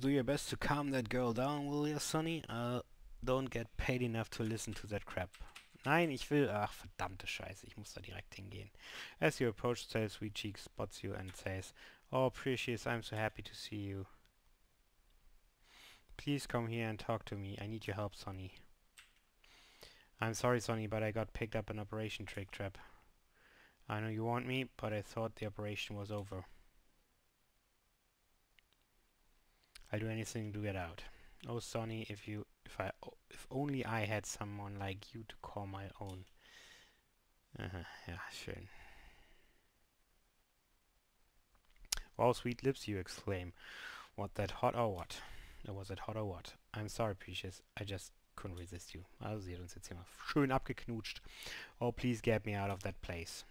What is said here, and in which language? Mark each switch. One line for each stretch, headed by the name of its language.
English: Do your best to calm that girl down, will ya, Sonny? Don't get paid enough to listen to that crap.
German: Nein, ich will... Ach, verdammte Scheiße, ich muss da direkt hingehen.
English: As you approach, tell Sweet Cheek spots you and says, oh, Precious, I'm so happy to see you. Please come here and talk to me. I need your help, Sonny. I'm sorry, Sonny, but I got picked up an operation trick trap. I know you want me, but I thought the operation was over. I'll do anything to get out. Oh, Sonny, if only I had someone like you to call my own.
German: Ja, schön.
English: Wow, sweet lips, you exclaim. What, that hot or what? Was it hot or what? I'm sorry, Precious. I just couldn't resist you.
German: Also, sie hat uns jetzt hier mal schön abgeknutscht.
English: Oh, please get me out of that place.